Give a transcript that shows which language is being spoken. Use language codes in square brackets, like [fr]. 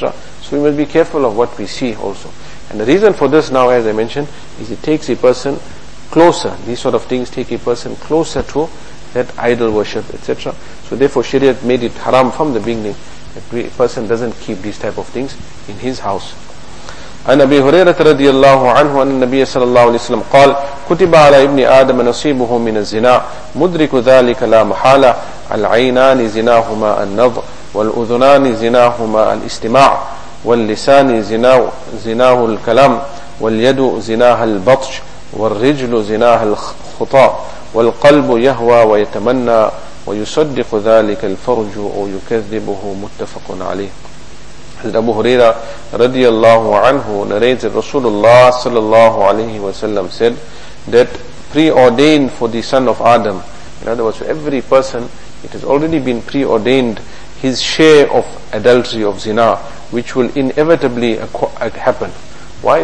[en] So we must be careful of what we see also. And the reason for this now, as I mentioned, is it takes a person closer. These sort of things take a person closer to that idol worship, etc. So therefore Shariat made it haram from the beginning that a person doesn't keep these type of things in his house. [ar] عن أبي هريرة رضي الله عنه أن النبي صلى الله عليه وسلم قال كتب على ابن آدم نصيبه من الزنا مدرك ذلك لا محالة العينان زناهما النظر والأذنان زناهما الاستماع واللسان زناه الكلام واليد زناها البطش والرجل زناها الخطا والقلب يهوى ويتمنى ويصدق ذلك الفرج ويكذبه متفق عليه. [en] Abu Huraira radiallahu anhu narrates that Rasulullah sallallahu alayhi wa sallam said that preordained for the son of Adam, in other words, for every person, it has already been preordained his share of adultery, of zina, which will inevitably happen. Why?